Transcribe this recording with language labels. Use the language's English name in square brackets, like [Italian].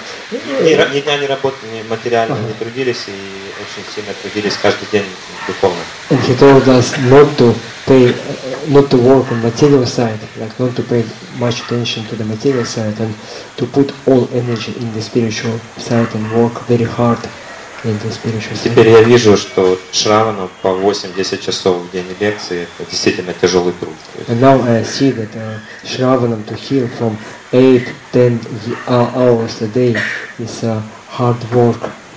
[Russian] Ни дня не работали, ни материально не трудились, и очень сильно трудились каждый день духовно. [English] And he told us not to work on material side, like not to pay much attention to the material side, and to put all energy in the spiritual side and work very hard in the spiritual side. [Russian] Теперь я вижу, что Шравана по 8-10 часов в день лекции, это действительно тяжелый труд. [English] And now I see that Shravanam to heal from 8-10 hours a day is hard work.